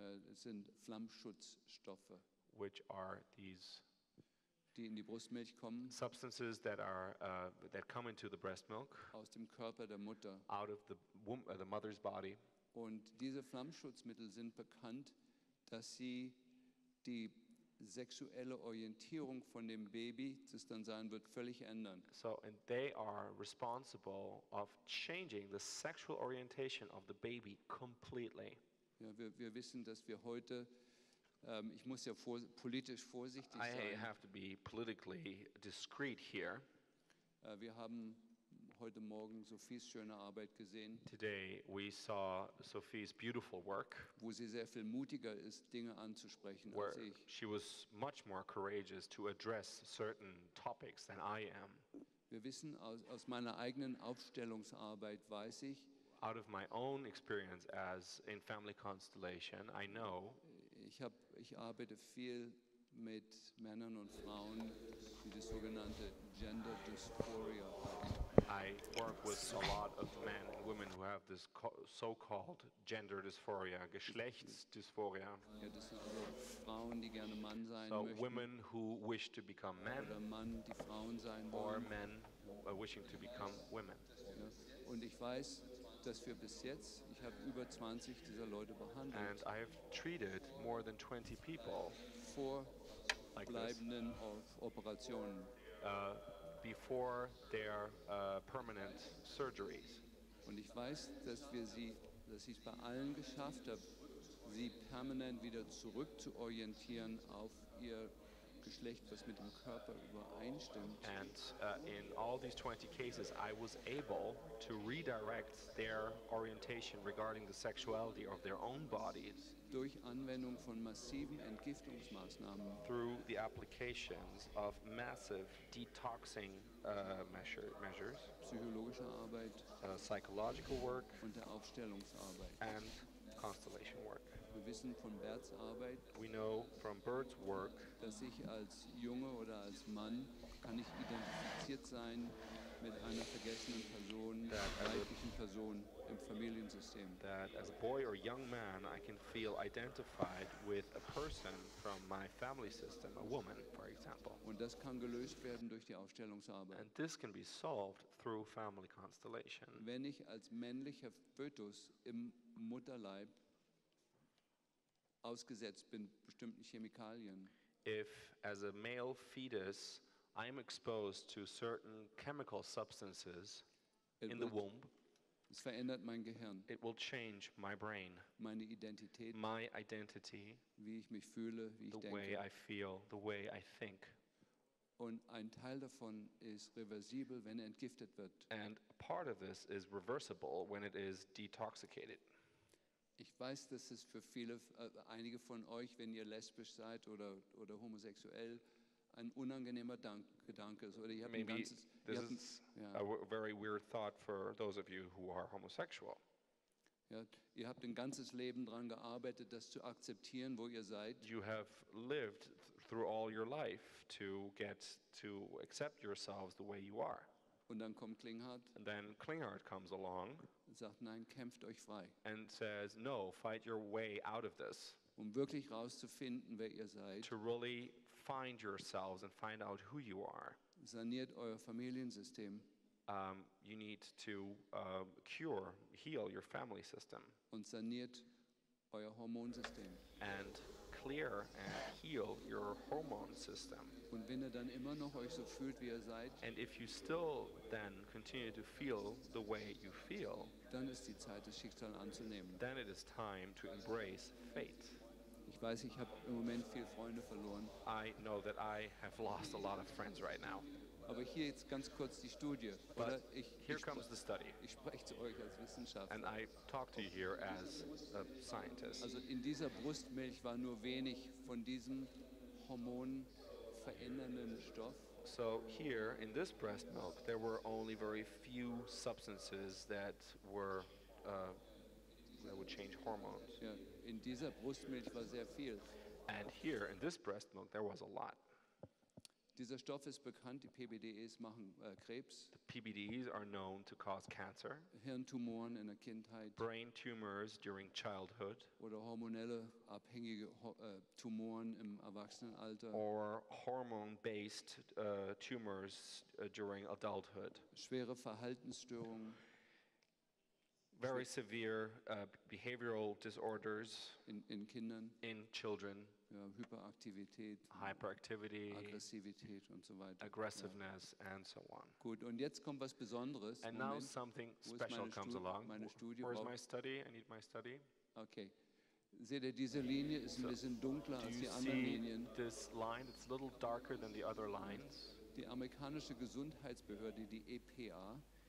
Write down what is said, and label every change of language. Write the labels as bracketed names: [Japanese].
[German] Es sind Flammschutzstoffe. [English] Which are these? [German] Die in die Brustmilch kommen, [English] substances that are that come into the breast milk [German] aus dem Körper der Mutter, [English] out of the womb, the mother's body. [German] Und diese Flammschutzmittel sind bekannt, dass sie die sexuelle Orientierung von dem Baby, das dann sein wird, völlig ändern. [English] So, and they are responsible of changing the sexual orientation of the baby completely. [German] Ja, wir wissen, dass wir heute ich muss ja politisch vorsichtig sein. [English] I have to be politically discreet here. [German] Wir haben heute Morgen Sophies schöne Arbeit gesehen. [English] Today we saw Sophie's beautiful work. [German] Wo sie sehr viel mutiger ist, Dinge anzusprechen [English] where [German] als ich. [English] She was much more courageous to address certain topics than I am. [German] Wir wissen aus meiner eigenen Aufstellungsarbeit weiß ich. [English] Out of my own experience as in Family Constellation, I know. [German] Ich arbeite viel mit Männern und Frauen, die das sogenannte Gender Dysphoria haben. [English] I work with a lot of men and women who have this so-called gender dysphoria, Geschlechtsdysphoria. [German] Ja, das sind also Frauen, die gerne Mann sein [English] so [German] möchten. [English] So women who wish to become men. [German] Oder Mann, die Frauen sein [English] or [German] wollen. [English] Or men wishing to become women. [German] Ja, und ich weiß, dass wir bis jetzt, ich habe über 20 dieser Leute behandelt. [English] And I have treated more than 20 people. [German] Vor bleibenden Operationen. [English] Before their permanent surgeries. [German] Und ich weiß, dass wir sie, dass ich es bei allen geschafft habe, sie permanent wieder zurück zu orientieren auf ihr Geschlecht, was mit dem Körper übereinstimmt. [English] And in all these 20 cases, I was able to redirect their orientation regarding the sexuality of their own bodies. [German] Durch Anwendung von massiven Entgiftungsmaßnahmen. [English] Through the applications of massive detoxing measures. [German] Psychologische Arbeit. [English] Psychological work. [German] Und der Aufstellungsarbeit. [English] And constellation work. [German] Wir wissen von Bert's Arbeit. [English] We know from Bert's work. [German] Dass ich als Junge oder als Mann kann ich identifiziert sein mit einer vergessenen Person, weiblichen Person im Familiensystem. [English] That as a boy or young man I can feel identified with a person from my family system, a woman, for example. [German] Und das kann gelöst werden durch die Aufstellungsarbeit. [English] And this can be solved through family constellation. [German] Wenn ich als männlicher Fötus im Mutterleib ausgesetzt bin bestimmten Chemikalien. [English] If as a male fetus I am exposed to certain chemical substances in the womb, [German] es verändert mein Gehirn. [English] It will change my brain. [German] Meine Identität. [English] My identity. [German] Wie ich mich fühle, wie ich denke. [English] The way I feel, the way I think. [German] Und ein Teil davon ist reversibel, wenn entgiftet wird. [English] And part of this is reversible when it is detoxicated. [German] Ich weiß, dass es für viele, einige von euch, wenn ihr lesbisch seid oder homosexuell, ein unangenehmer Gedanke ist. Oder ihr habt [English] Maybe [German] ein ganzes, [English] this [German] ihr habt, [English] is ja. a very weird thought for those of you who are homosexual. [German] Ja, ihr habt ein ganzes Leben daran gearbeitet, das zu akzeptieren, wo ihr seid. [English] You have lived through all your life to get to accept yourselves the way you are. [German] Und dann kommt Klinghardt. [English] And then Klinghardt comes along. [German] Sagt nein, kämpft euch frei. [English] And says no, fight your way out of this. [German] Um wirklich rauszufinden, wer ihr seid. [English] To really find yourselves and find out who you are. [German] Saniert euer Familiensystem. [English] You need to heal your family system. [German] Und saniert euer Hormonsystem. [English] And clear and heal your hormone system. [German] Und wenn ihr dann immer noch euch so fühlt, wie ihr seid, [English] and if you still then continue to feel the way you feel, [German] dann ist die Zeit, das Schicksal anzunehmen. [English] Then it is time to embrace fate. [German] Ich weiß, ich habe im Moment viele Freunde verloren. [English] I know that I have lost a lot of friends right now. [German] Aber hier jetzt ganz kurz die Studie. [English] But [German] oder [English] here comes the study. [German] Ich spreche zu euch als Wissenschaftler. [English] And I talk to you here as a scientist. [German] Also in dieser Brustmilch war nur wenig von diesem hormonverändernden Stoff. [English] So here in this breast milk there were only very few substances that were that would change hormones. [German] Ja, in dieser Brustmilch war sehr viel. [English] And here in this breast milk there was a lot. [German] Dieser Stoff ist bekannt, die PBDEs machen Krebs. [English] The PBDEs are known to cause cancer. [German] Hirntumoren in der Kindheit. [English] Brain tumors during childhood. [German] Oder hormonelle abhängige Tumoren im Erwachsenenalter. [English] Or hormone-based tumors during adulthood. [German] Schwere Verhaltensstörungen. [English] Very severe behavioral disorders [German] in Kindern. [English] In children. [German] Ja, Hyperaktivität, [English] hyperactivity, [German] Aggressivität und so weiter. [English] Aggressiveness, ja. And so on. [German] Gut, und jetzt kommt was Besonderes. [English] And now something special comes along. Where is my study? I need my study. Okay. [German] Seht ihr, diese Linie ist ein bisschen dunkler als die anderen Linien. [English] This line, it's a little darker than the other lines. [German] Die amerikanische Gesundheitsbehörde, die EPA.